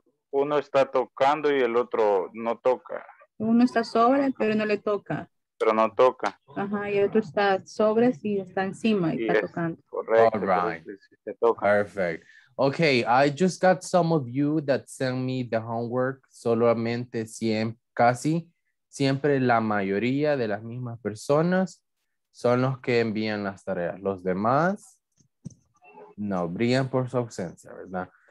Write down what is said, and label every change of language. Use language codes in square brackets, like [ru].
[es] uno está tocando y el otro no toca. Uno está sobre, pero no le toca. Pero no toca. Ajá, y el otro está sobre, sí, está encima y está tocando. Correcto. [en] All right. [es] Se toca. [en] Perfect. Okay, I just got some of you that sent me the homework. [es] Solamente 100, casi siempre la mayoría de las mismas personas son los que envían las tareas. Los demás no brillan por su ausencia, ¿verdad?